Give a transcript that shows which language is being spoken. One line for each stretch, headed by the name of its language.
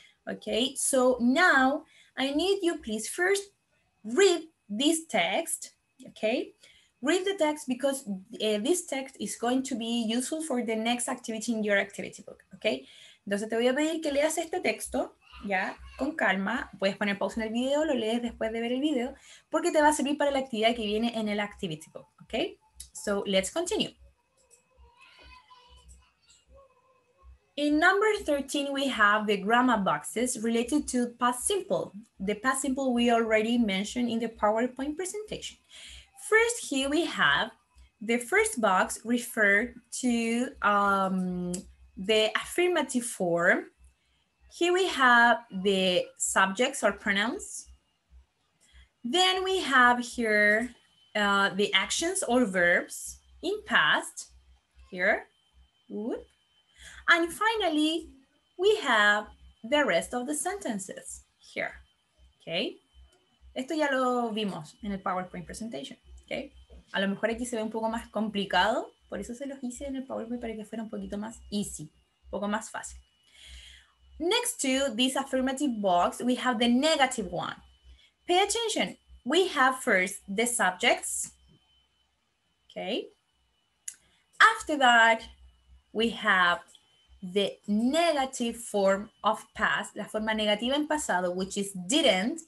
English: Okay, so now I need you please first read this text, okay? Read the text because this text is going to be useful for the next activity in your activity book, okay?
Spanish: Entonces te voy a pedir que leas este texto, ya, con calma. Puedes poner pausa en el video, lo lees después de ver el video, porque te va a servir para la actividad que viene en el activity book, okay?
English: So, let's continue. In number 13, we have the grammar boxes related to past simple. The past simple we already mentioned in the PowerPoint presentation. First, here we have the first box referred to the affirmative form. Here we have the subjects or pronouns. Then we have here the actions or verbs in past. Here, whoop. And finally, we have the rest of the sentences here, okay?
Spanish: Esto ya lo vimos en el PowerPoint presentation, okay? A lo mejor aquí se ve un poco más complicado, por eso se los hice en el PowerPoint para que fuera un poquito más easy, un poco más fácil.
English: Next to this affirmative box, we have the negative one. Pay attention, we have first the subjects, okay? After that, we have the negative form of past,
Spanish: la forma negativa en pasado,
English: which is didn't.